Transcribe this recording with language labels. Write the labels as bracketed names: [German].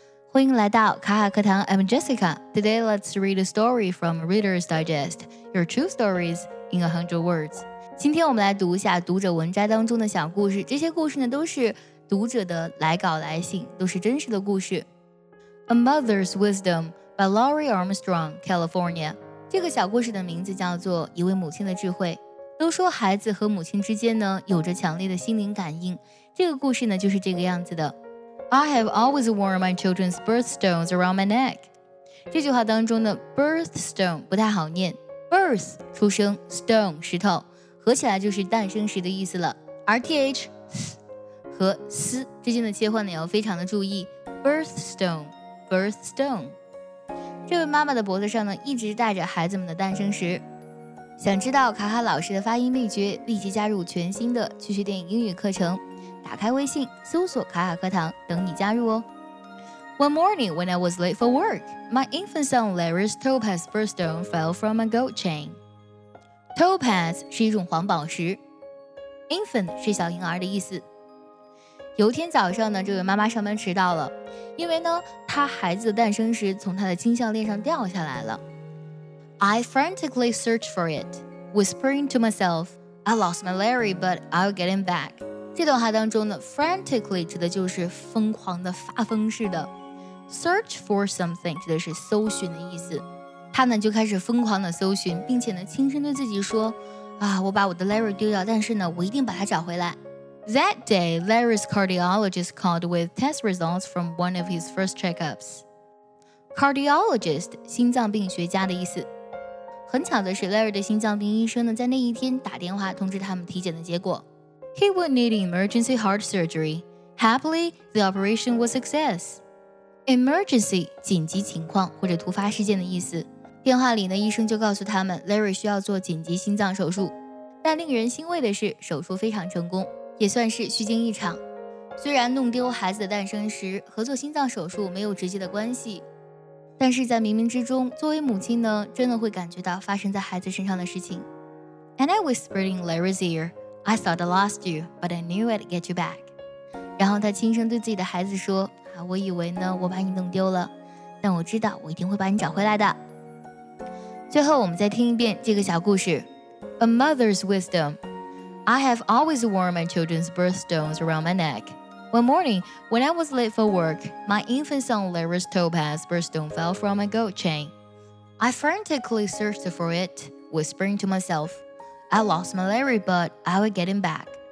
[Chinese] 欢迎来到卡卡课堂 [English] I'm Jessica. Today, let's read a story from Reader's Digest. Your true stories in 100 words. [Chinese] 今天我们来读一下读者文摘当中的小故事。这些故事呢都是读者的来稿来信，都是真实的故事。 [English] A Mother's Wisdom by Laurie Armstrong, California. [Chinese] 这个小故事的名字叫做一位母亲的智慧。都说孩子和母亲之间呢有着强烈的心灵感应。这个故事呢就是这个样子的。 [English] I have always worn my children's birthstones around my neck. [Chinese] 这句话当中的 birthstone 不太好念。birth 出生 ,stone 石头合起来就是诞生时的意思了。 RTH 和 S 之间的切换呢要非常的注意。 [English] birthstone, birthstone。 [Chinese] 这位妈妈的脖子上呢一直带着孩子们的诞生石。想知道卡卡老师的发音秘诀立即加入全新的趣趣电影英语课程。打开微信搜索卡卡课堂等你加入哦。 [English] One morning when I was late for work, my infant son Larry's topaz birthstone fell from my gold chain. [Chinese] Topaz 是一种黄宝石。Infant 是小婴儿的意思。有一天早上呢这位妈妈上班迟到了因为呢她孩子的诞生石从她的金项链上掉下来了。 [English] I frantically searched for it, whispering to myself, I lost my Larry, but I'll get him back. [Chinese] 这段话当中呢 frantically 指的就是疯狂的发疯似的。 [English] Search for something [Chinese] 指的是搜寻的意思。他呢就开始疯狂的搜寻并且呢轻声对自己说啊我把我的 Larry 丢掉但是呢我一定把它找回来。 [English] That day, Larry's cardiologist called with test results from one of his first checkups. [Chinese] Cardiologist, 心脏病学家的意思。很巧的是 Larry 的心脏病医生呢在那一天打电话通知他们体检的结果。 [English] He would need emergency heart surgery. Happily, the operation was a success. [Chinese] Emergency, 紧急情况或者突发事件的意思。电话里呢医生就告诉他们 Larry 需要做紧急心脏手术。但令人欣慰的是手术非常成功也算是虚惊一场。虽然弄丢孩子的诞生时和做心脏手术没有直接的关系。但是在冥冥之中作为母亲呢真的会感觉到发生在孩子身上的事情。 [English] And I whispered in Larry's ear, I thought I lost you, but I knew I'd get you back. [Chinese] 然后他轻声对自己的孩子说啊，我以为呢我把你弄丢了但我知道我一定会把你找回来的。最后我们再听一遍这个小故事。 [English] A mother's wisdom. I have always worn my children's birthstones around my neck. One morning, when I was late for work, my infant son Larry's topaz birthstone fell from my gold chain. I frantically searched for it, whispering to myself, I lost my Larry, but I will get him back.